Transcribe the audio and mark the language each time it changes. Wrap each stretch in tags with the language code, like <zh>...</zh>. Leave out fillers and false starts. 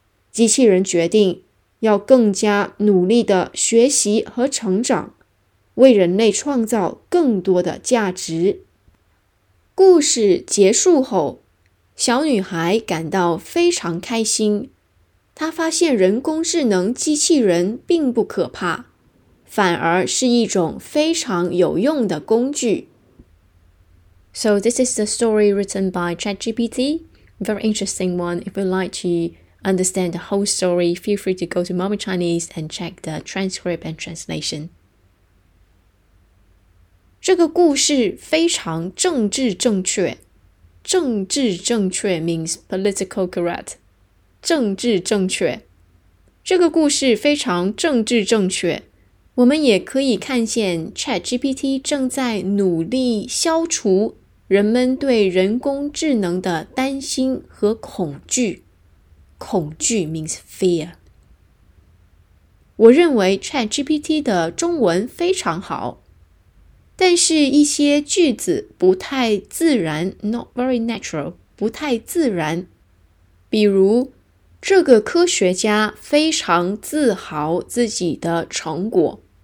<zh>机器人决定要更加努力地学习和成长，为人类创造更多的价值。故事结束后，小女孩感到非常开心。她发现人工智能机器人并不可怕，反而是一种非常有用的工具。</zh> <en>So this is the story written by ChatGPT. Very interesting one. If you'd like to understand the whole story, feel free to go to Mommy Chinese and check the transcript and translation.</en> <zh>这个故事非常政治正确。</zh> <en>政治正确 means political correct.</en> <zh>政治正确。这个故事非常政治正确。我们也可以看见 ChatGPT 正在努力消除人们对人工智能的担心和恐惧。</zh> <en>恐惧 means fear.</en> <zh>我认为 ChatGPT 的中文非常好，但是一些句子不太自然，</zh> <en>not very natural,</en> <zh>不太自然。比如，这个科学家非常自豪自己的成果。</zh>